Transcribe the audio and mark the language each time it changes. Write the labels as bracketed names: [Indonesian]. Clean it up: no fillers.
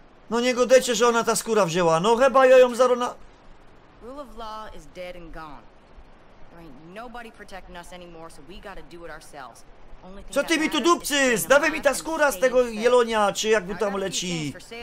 [Polish] No nie godecie, że ona ta skóra wzięła. No chyba ja ją zarona... [English] Rule of law is dead and gone. There ain't nobody protecting us anymore, so we gotta do it ourselves. [Polish] Co ty mi tu dupcy? Zdawaj mi ta skóra z tego jelonia, czy jak mu tam leci.